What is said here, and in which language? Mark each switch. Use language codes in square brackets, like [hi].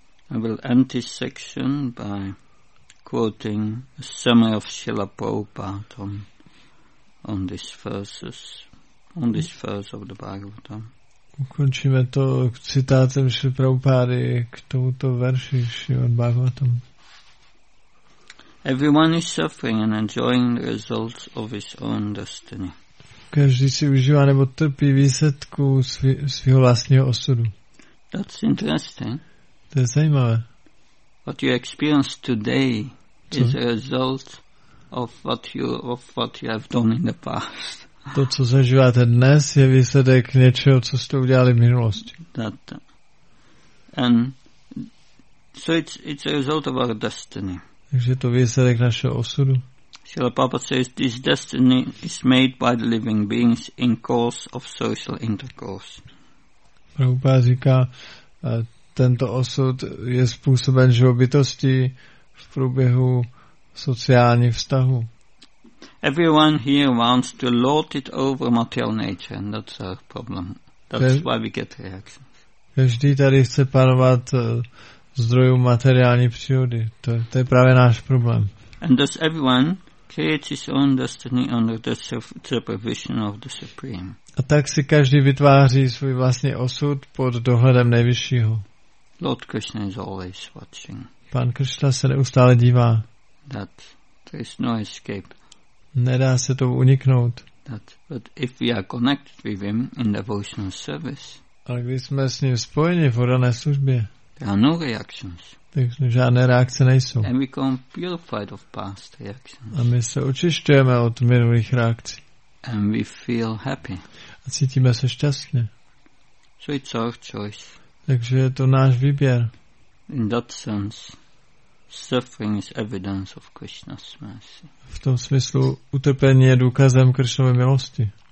[en] I will end this section by quoting a summary of Srila Prabhupada on this verse of the Bhagavatam. [cs] Ukončíme to citátem Šri Prabhupády k tomuto verši Šrimad Bhagavatam. [en] Everyone is suffering and enjoying the results of his own destiny. [cs] Každý si užívá nebo trpí výsledku svého vlastního osudu. [en] That's interesting. [cs] To je zajímavé. [en] What you experience today is a result of what you have done in the past. [cs] To, co zažíváte dnes, je výsledek něčeho, co jste udělali v minulosti. [en] And so it's a result of our destiny. [cs] Takže to výsledek našeho osudu. [en] Srila Prabhupada says this destiny is made by the living beings in course of social intercourse. [cs] Prabhupada říká, tento osud je způsoben živobytosti v průběhu sociální vztahu. [en] Everyone here wants to lord it over material nature, and that's our problem. That's why we get reactions. [cs] Každý tady chce panovat zdrojů materiální přírody. To je právě náš problém. [en] And thus everyone creates his own destiny under the supervision of the Supreme. [cs] A tak si každý vytváří svůj vlastní osud pod dohledem nejvyššího. [en] Lord Krishna is always watching. [cs] Pán Krishna se neustále dívá. [en] That there is no escape. [cs] Nedá se to uniknout. [en] But if we are connected with him in devotional service. [cs] Ale když jsme s ním spojeni v orané službě, [en] no reactions. [cs] Takže žádné reakce nejsou. [en] And we come purified of past reactions. [cs] A my se očišťujeme od minulých reakcí. [en] And we feel happy. [cs] A cítíme se šťastně. [en] So it's our choice. [cs] Takže je to náš výběr. [en] In that sense, suffering is evidence of Krishna's mercy. [cs] V tom smyslu utrpení je důkazem Krishnovy milosti.